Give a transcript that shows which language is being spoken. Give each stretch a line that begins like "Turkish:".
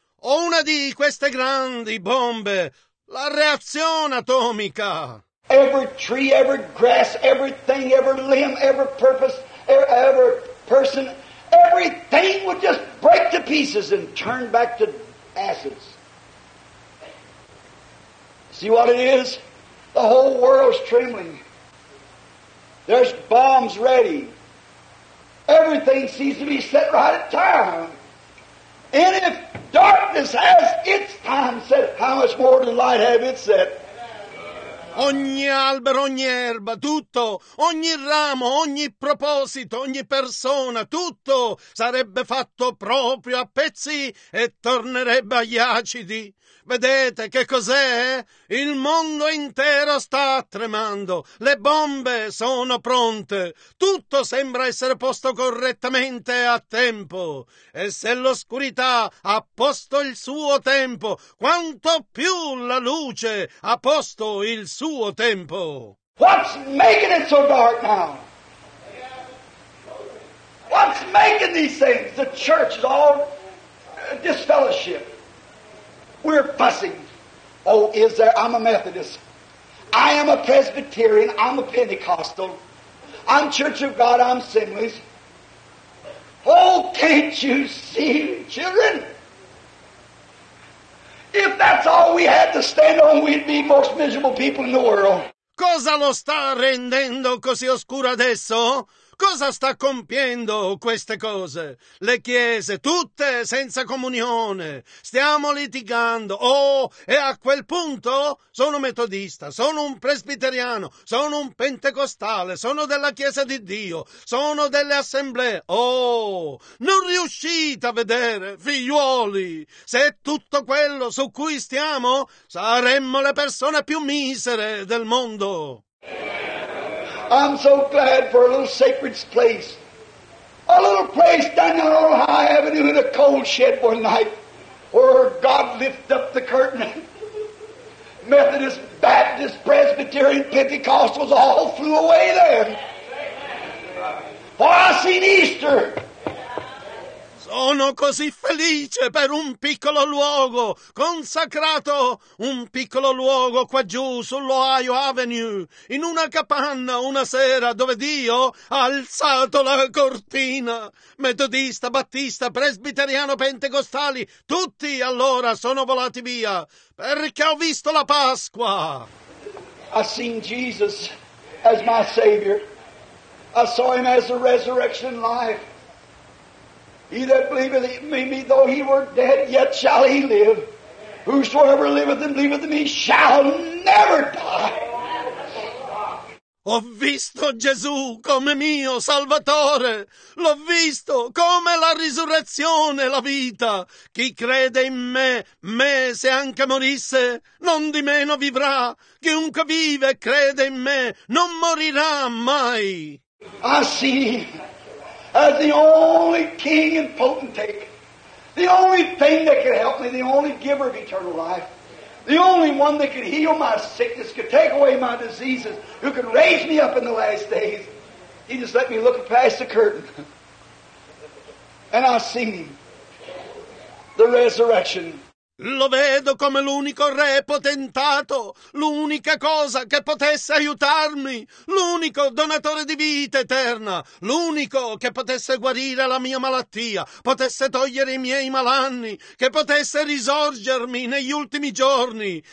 Italian: O una di queste grandi bombe, la reazione atomica.
English: Every tree, every grass, everything, every limb, every purpose, every person, everything would just break to pieces and turn back to acids. See what it is? The whole world's trembling. There's bombs ready. Everything seems to be set right at time. And if darkness has its time set, how much more does light have its set?
Italian: ogni albero, ogni erba, tutto, ogni ramo, ogni proposito, ogni persona, tutto sarebbe fatto proprio a pezzi e tornerebbe agli acidi. Vedete che cos'è? Il mondo intero sta tremando, le bombe sono pronte, tutto sembra essere posto correttamente a tempo. E se l'oscurità ha posto il suo tempo, quanto più la luce ha posto il suo tempo.
English: What's making it so dark now? What's making these things? The church is all disfellowship. We're fussing. Oh, is there? I'm a Methodist. I am a Presbyterian. I'm a Pentecostal. I'm Church of God. I'm Assemblies. Oh, can't you see, children? If that's all we had to stand on, we'd be most miserable people in the world.
Italian: Cosa lo sta rendendo così oscuro adesso? Cosa sta compiendo queste cose? Le chiese, tutte senza comunione. Stiamo litigando. Oh, e a quel punto? Sono metodista, sono un presbiteriano, sono un pentecostale, sono della Chiesa di Dio, sono delle assemblee. Oh, non riuscite a vedere, figliuoli, se è tutto quello su cui stiamo, saremmo le persone più misere del mondo.
English: I'm so glad for a little sacred place. A little place down on Old High Avenue in a coal shed one night where God lifted up the curtain. Methodist, Baptist, Presbyterian, Pentecostals all flew away there. For I seen Easter.
Italian: Sono così felice per un piccolo luogo consacrato, un piccolo luogo qua giù sull'Ohio Avenue, in una capanna una sera dove Dio ha alzato la cortina. Metodista, battista, presbiteriano, pentecostali, tutti allora sono volati via perché ho visto la Pasqua.
English: I seen Jesus as my Savior. I saw him as the resurrection life. He that believeth in me, though he were dead, yet shall he live. Whosoever liveth and believeth in me shall never die.
Italian: Ho visto Gesù come mio Salvatore, l'ho visto come la risurrezione, la vita. Chi crede in me se anche morisse, non di meno vivrà. Chiunque vive e crede in me non morirà mai. Ah sì!
English: As the only king and potentate, the only thing that could help me, the only giver of eternal life, the only one that could heal my sickness, could take away my diseases, who could raise me up in the last days, he just let me look past the curtain. And I seen him, the resurrection.
Italian: Lo vedo come l'unico re potentato, l'unica cosa che potesse aiutarmi, l'unico donatore di vita eterna, l'unico che potesse guarire la mia malattia, potesse togliere i miei malanni, che potesse risorgermi negli ultimi giorni.